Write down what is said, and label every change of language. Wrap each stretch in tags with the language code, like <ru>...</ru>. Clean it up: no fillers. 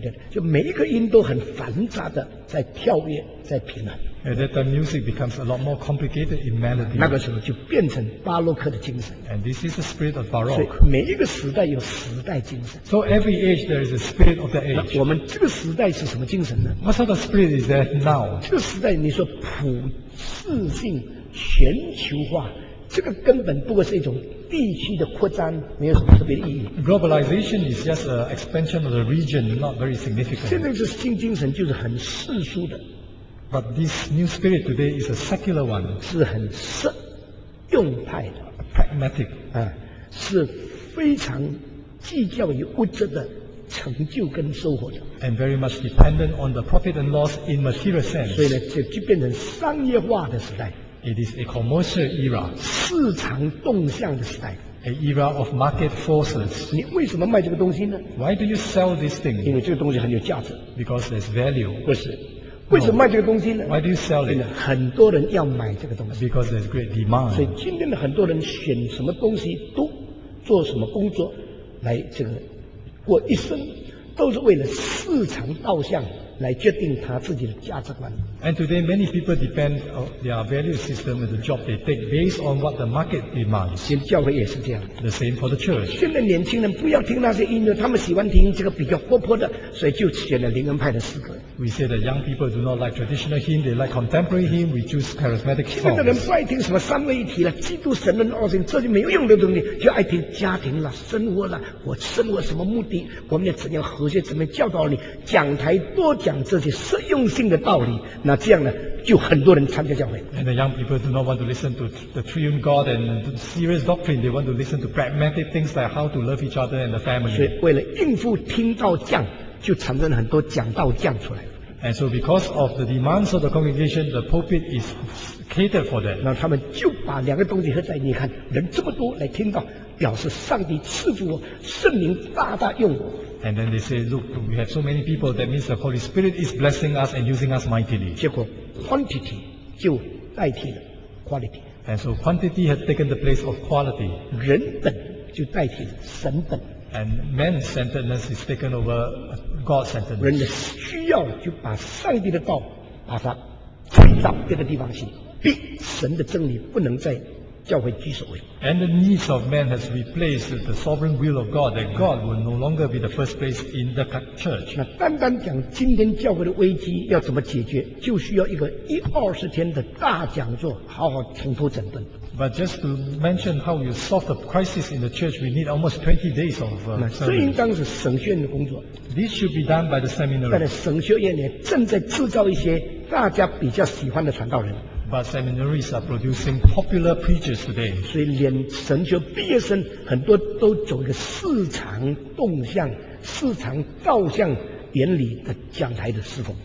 <zh>就每一个音都很繁杂的在跳跃在平衡。</zh> <en>And that the music becomes a lot more complicated in melody.</en> <zh>那个时候就变成巴洛克的精神。</zh> <en>And this is the spirit of Baroque.</en> <zh>所以每一个时代有时代精神。</zh> <en>So every age there is a spirit of the age.</en> <zh>我们这个时代是什么精神呢？</zh> <en>What sort of spirit is that now?</en> <zh>这个时代你说普世性全球化，这个根本不过是一种地区的扩张，没有什么特别的意义。</zh> <en>Globalization is just an expansion of the region, not very significant.</en> <zh>现在这新精神就是很世俗的。</zh> <en>But this new spirit today is a secular one.</en> <zh>是很实用派的。</zh> <en>Pragmatic.</en> <zh>啊，是非常计较于物质的成就跟收获的。</zh> <en>And very much dependent on the profit and loss in material sense.</en> <zh>所以呢，就变成商业化的时代。</zh> <en>It is a commercial era.</en> <zh>市场动向的时代。</zh> <en>An era of market forces.</en> <zh>你为什么卖这个东西呢？</zh> <en>Why do you sell this thing?</en> <zh>因为这个东西很有价值。</zh> <en>Because there's value.</en> <zh>不是。为什么卖这个东西呢？</zh> <en>Why do you sell it?</en> <zh>很多人要买这个东西。</zh> <en>Because there's great demand.</en> <zh>所以今天的很多人选什么东西都做什么工作来这个过一生，都是为了市场导向来决定他自己的价值观。</zh> <en>And today many people depend on their value system and the job they take based on what the market demands.</en> <zh>现在教会也是这样。</zh> <en>The same for the church.</en> <zh>现在年轻人不要听那些音乐，他们喜欢听这个比较活泼的，所以就选了灵恩派的诗歌。</zh> <en>We say that young people do not like traditional hymn, they like contemporary hymn, we choose charismatic songs.</en> <zh>现在的人不爱听什么三位一体了，基督神人二神，这就没有用的东西，就爱听家庭了、生活了，我生活什么目的，我们要怎样和谐，怎么教导你，讲台多讲这些实用性的道理，那这样呢，就很多人参加教会。</zh> <en>And the young people do not want to listen to the triune God and the serious doctrine. They want to listen to pragmatic things like how to love each other and the family.</en> <zh>所以为了应付听道匠，就产生了很多讲道匠出来。</zh> <en>And so because of the demands of the congregation, the pulpit is catered for that.</en> <zh>那他们就把两个东西合在，你看人这么多来听到，表示上帝赐福我，圣灵大大用我。</zh> <en>And then they say, look, we have so many people, that means the Holy Spirit is blessing us and using us mightily.</en> <zh>结果 quantity 就代替了 quality.</zh> <en>And so quantity has taken the place of quality.</en> <zh>人本就代替了神本。</zh> <en>And man-centeredness is taken over God-centeredness.</en> <zh>人的需要就把上帝的道把它推到这个地方去，逼神的真理不能再教会居首位。</zh> <en>And the needs of man has replaced the sovereign will of God, that God will no longer be the first place in the church.</en> <zh>那单单讲今天教会的危机要怎么解决，就需要一个一二十天的大讲座，好好重头整顿。</zh> <en>But just to mention how you solve the crisis in the church, we need almost 20 days of seminary.</en> <zh>这应当是神学院的工作。</zh> <en>This should be done by the seminary.</en> <zh>但是神学院也正在制造一些大家比较喜欢的传道人。</zh> <en>But seminaries are producing popular preachers today.</en> <zh>所以连神学毕业生很多都走一个市场动向、市场导向原理的讲台的侍奉。</zh>